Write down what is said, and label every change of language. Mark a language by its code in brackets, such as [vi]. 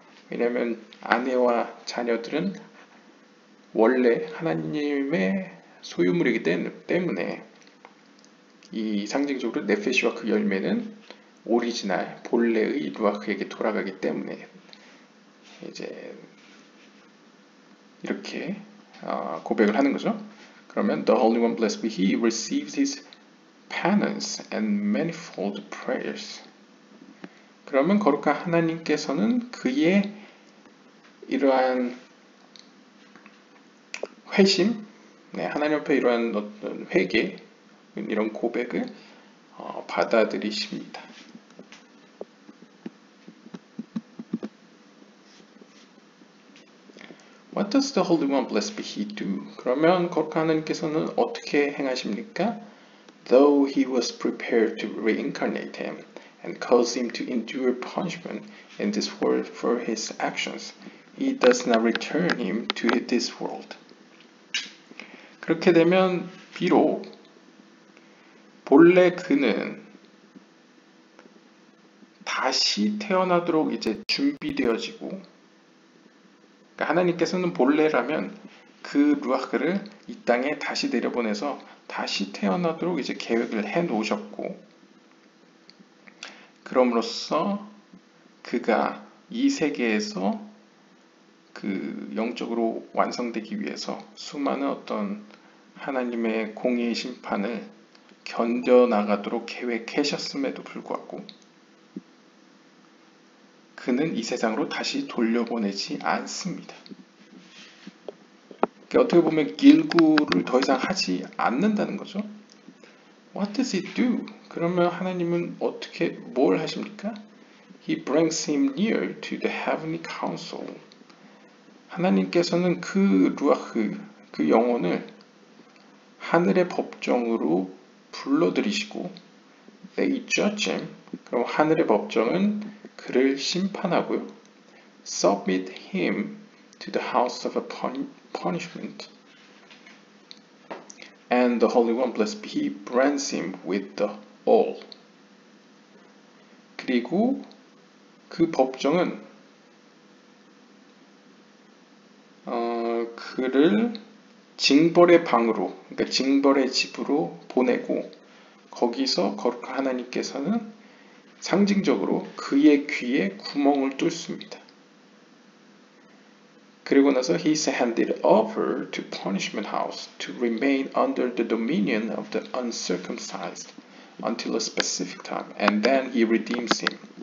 [ko] 왜냐하면 아내와 자녀들은 원래 하나님의 소유물이기 때문에 이 상징적으로 네페시와 그 열매는 오리지널 본래의 루아크에게 돌아가기 때문에 이제 이렇게 고백을 하는 거죠. 그러면 [en] The Holy One blessed be He receives His penance and manifold prayers. [ko] 그러면 거룩한 하나님께서는 그의 이러한 회심, 네, 하나님 앞에 이러한 어떤 회개 이런 고백을 받아들이십니다. [en] What does the Holy One blessed be He do? [ko] 그러면 거룩한 하나님께서는 어떻게 행하십니까? [en] Though He was prepared to reincarnate Him and cause Him to endure punishment in this world for His actions, He does not return Him to this world. [ko] 그렇게 되면 비록 본래 그는 다시 태어나도록 이제 준비되어지고 그러니까 하나님께서는 본래라면 그 루아흐를 이 땅에 다시 내려보내서 다시 태어나도록 이제 계획을 해 놓으셨고 그럼으로써 그가 이 세계에서 그 영적으로 완성되기 위해서 수많은 어떤 하나님의 공의의 심판을 견뎌나가도록 계획하셨음에도 불구하고 그는 이 세상으로 다시 돌려보내지 않습니다. 그러니까 어떻게 보면 길구를 더 이상 하지 않는다는 거죠. [en] What does he do? [ko] 그러면 하나님은 어떻게 뭘 하십니까? [en] He brings him near to the heavenly council. [ko] 하나님께서는 그 루아흐, 그 영혼을 하늘의 법정으로 불러들이시고 [en] They judge him. [ko] 그럼 하늘의 법정은 그를 심판하고요. [en] Submit him to the house of a punishment. And the Holy One blessed be, brands him with the all. [ko] 그리고 그 법정은 그를 징벌의 방으로, 그러니까 징벌의 집으로 보내고 거기서 거룩한 하나님께서는 상징적으로 그의 귀에 구멍을 뚫습니다. 그리고 나서 [en] he's handed over to punishment house to remain under the dominion of the uncircumcised until a specific time and then he redeems him.